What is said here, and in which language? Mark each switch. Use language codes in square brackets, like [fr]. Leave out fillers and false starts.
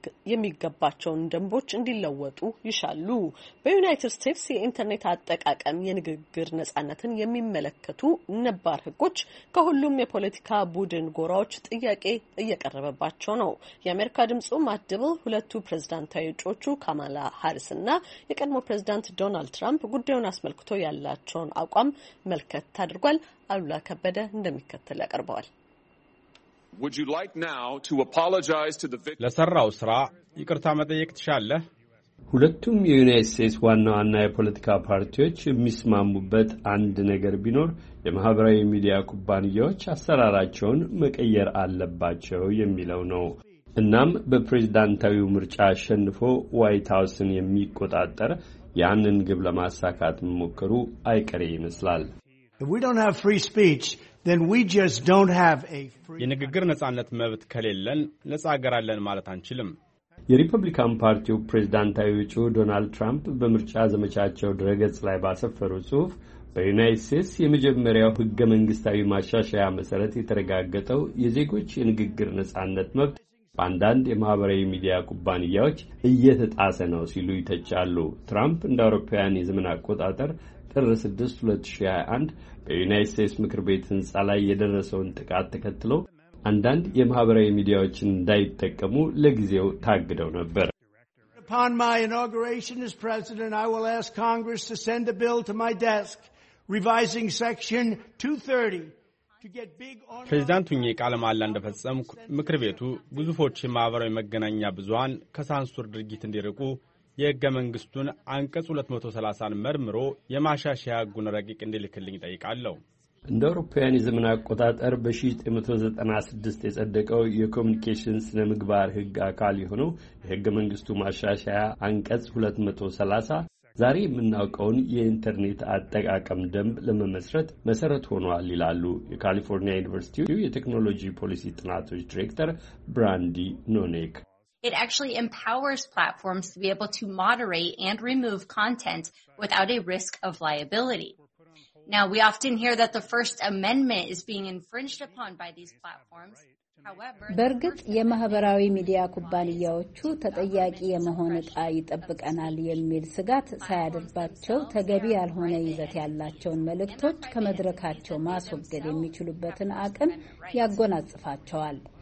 [am] የሚገባቸውን ደንቦች እንዲለወጡ ይሻሉ። በዩናይትድ ስቴትስ የኢንተርኔት አጠቃቀም የንግግር ነጻነትን የሚመለከቱ ነባር ህጎች ከሁሉም የፖለቲካ ቡድን ጎራዎች ጥያቄ እየቀረበባቸው ነው። የአሜሪካ ድምጹ ማድብል ሁለቱ ፕሬዝዳንታዊ እጩዎቹ ካማላ ሃሪስና የቀድሞ ፕሬዝዳንት ዶናልድ ትራምፕ ጉዳዩን አስመልክቶ ያላቸውን አቋም መልከት አድርጓል። አሉላ ከበደ እንደሚከተል ያቀርበዋል። [en] Would you like now to apologize to the victim? [am] ለሰራው ስራ ይቅርታ መጠየቅ ትሻለህ? ሁለቱም የዩናይትድ ስቴትስ ዋና ዋና የፖለቲካ ፓርቲዎች የሚስማሙበት አንድ ነገር ቢኖር የማህበራዊ ሚዲያ ኩባንያዎች አሰራራቸውን መቀየር አለባቸው የሚለው ነው። እናም በፕሬዝዳንታዊ ምርጫ አሸንፎ ዋይት ሃውስን የሚቆጣጠር ያንን ግብ ለማሳካት መሞከሩ አይቀሬ ይመስላል። [en] If we don't have free speech, then we just don't have a free [am] የንግግር ነጻነት መብት ከሌለን ነጻ ሀገር አለን ማለት አንችልም። የሪፐብሊካን ፓርቲው ፕሬዝዳንታዊ እጩ ዶናልድ ትራምፕ በምርጫ ዘመቻቸው ድረገጽ ላይ ባሰፈሩት ጽሑፍ በዩናይትድ ስቴትስ የመጀመሪያው ህገ መንግስታዊ ማሻሻያ መሰረት የተረጋገጠው የዜጎች የንግግር ነጻነት መብት በአንዳንድ የማህበራዊ ሚዲያ ኩባንያዎች እየተጣሰ ነው ሲሉ ይተቻሉ። ትራምፕ እንደ አውሮፓውያን የዘመን አቆጣጠር ጥር 6 2021 በዩናይትድ ስቴትስ ምክር ቤት ህንጻ ላይ የደረሰውን ጥቃት ተከትሎ አንዳንድ የማህበራዊ ሚዲያዎችን እንዳይጠቀሙ ለጊዜው ታግደው ነበር። [en] Upon my inauguration as president, I will ask Congress to send a bill to my desk revising section 230 to get big on [am] ፕሬዝዳንቱኝ ቃለ መሐላ እንደፈጸምኩ ምክር ቤቱ ግዙፎች የማህበራዊ መገናኛ ብዙሃን ከሳንሱር ድርጊት እንዲርቁ የህገ መንግስቱን አንቀጽ 230ን መርምሮ የማሻሻያ ህጉን ረቂቅ እንዲልክልኝ ጠይቃለሁ። እንደ አውሮፓውያን የዘመን አቆጣጠር በ1996 የጸደቀው የኮሙኒኬሽንስ ለምግባር ህግ አካል የሆነው የህገ መንግስቱ ማሻሻያ አንቀጽ 230 ዛሬ የምናውቀውን የኢንተርኔት አጠቃቀም ደንብ ለመመስረት መሰረት ሆኗል ይላሉ የካሊፎርኒያ ዩኒቨርሲቲ የቴክኖሎጂ ፖሊሲ ጥናቶች ዲሬክተር ብራንዲ ኖኔክ። [en] It actually empowers platforms to be able to moderate and remove content without a risk of liability. Now, we often hear that the First Amendment is being infringed upon by these platforms. [am] በርግጥ የማህበራዊ ሚዲያ ኩባንያዎቹ ተጠያቂ የመሆን ዕጣ ይጠብቀናል የሚል ስጋት ሳያድርባቸው ተገቢ ያልሆነ ይዘት ያላቸውን መልእክቶች ከመድረካቸው ማስወገድ የሚችሉበትን አቅም ያጎናጽፋቸዋል።